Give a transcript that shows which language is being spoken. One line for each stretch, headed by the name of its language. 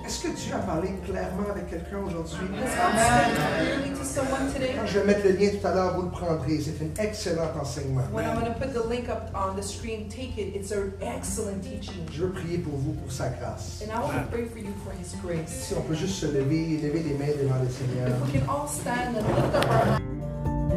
French: Est-ce que Dieu a parlé clairement avec quelqu'un aujourd'hui?
English: Has God spoken clearly to someone today?
French: Quand je vais mettre le lien tout à l'heure, vous le prendrez. C'est un excellent enseignement.
English: When I'm going to put the link up on the screen, take it. It's an excellent teaching.
French: Je veux prier pour vous pour sa grâce.
English: And I want to pray for you for His grace.
French: Si on peut juste se lever et lever les mains devant le Seigneur.
English: If we can all stand and lift up our hands.